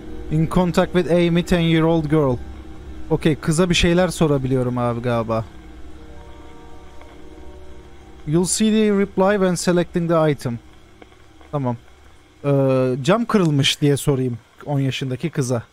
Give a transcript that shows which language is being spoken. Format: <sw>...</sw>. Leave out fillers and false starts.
<en>In contact with Amy, 10 year old girl.</en> <tr>Okay, kıza bir şeyler sorabiliyorum abi galiba.</tr> <en>You'll see the reply when selecting the item.</en> <tr>Tamam. Cam kırılmış diye sorayım 10 yaşındaki kıza.</tr>